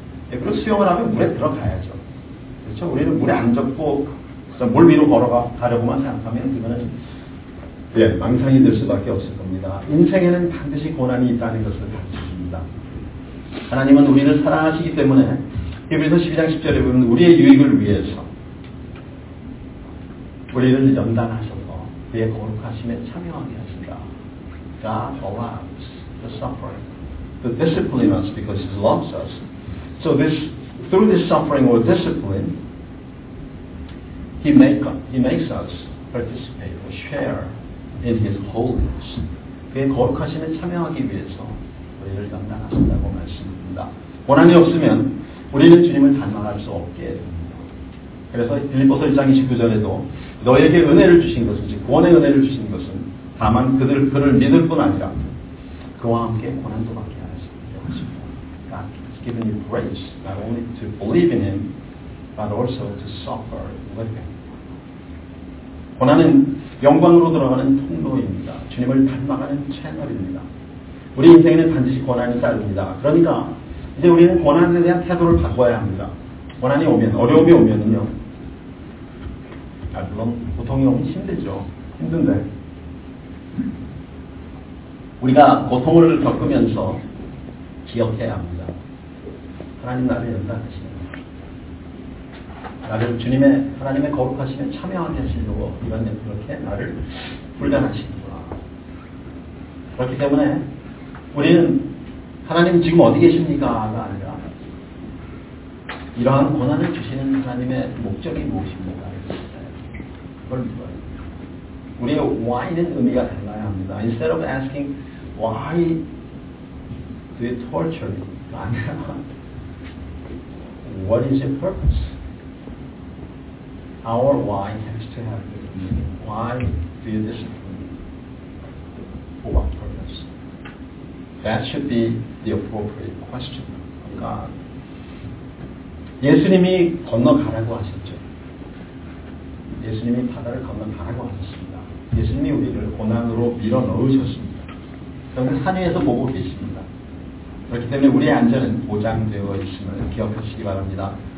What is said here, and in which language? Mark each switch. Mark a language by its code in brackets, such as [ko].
[ko] 그리고 수영을 하면 물에 들어가야죠. 그렇죠? 우리는 물에 안 젖고 물 위로 걸어가려고만 생각하면 그거는 예, 망상이 될 수밖에 없을 겁니다. 인생에는 반드시 고난이 있다는 것을 가르쳐줍니다. 하나님은 우리를 사랑하시기 때문에 히브리서 12장 10절에 보면 우리의 유익을 위해서 우리를 연단하셔서 그의 거룩하심에 참여하게 하신다. [en] God allows the suffering to discipline us because He loves us. So this, through this suffering or discipline, He makes us participate or share in His holiness. [ko] 그의 거룩하심에 참여하기 위해서 우리를 연단하신다고 말씀합니다. 고난이 없으면 우리는 주님을 닮아갈 수 없게 됩니다. 그래서 빌립보서 1장 29절에도 너에게 은혜를 주신 것은 구원의 은혜를 주신 것은 다만 그를 믿을 뿐 아니라 그와 함께 고난도 받게 하시기로 하십니다. God has given you grace not only to believe in Him but also to suffer with Him. 고난은 영광으로 들어가는 통로입니다. 주님을 닮아가는 채널입니다. 우리 인생에는 반드시 고난이 따릅니다. 그러니까 이제 우리는 고난에 대한 태도를 바꿔야 합니다. 고난이 오면, 어려움이 오면은요. 아, 물론 고통이 오면 힘들죠. 힘든데 우리가 고통을 겪으면서 기억해야 합니다. 하나님 나를 연단하시네. 나를 주님의 하나님의 거룩하심에 참여하게 하시려고 이런데 그렇게 나를 훈련하시는구나. 그렇기 때문에 우리는 하나님 지금 어디 계십니까가 아니라 이러한 고난을 주시는 하나님의 목적이 무엇입니까? 그걸 물어요. 우리의 why는 의미가 달라야 합니다. [en] Instead of asking why do you torture me? [ko] 아니라 [en] what is your purpose? Our why has to have this meaning. Why do you discipline me? For what purpose? That should be the appropriate question of God. [ko] 예수님이 건너가라고 하셨죠. 예수님이 바다를 건너가라고 하셨습니다. 예수님이 우리를 고난으로 밀어넣으셨습니다. 그런데 산 위에서 보고 계십니다. 그렇기 때문에 우리의 안전은 보장되어 있음을 기억하시기 바랍니다.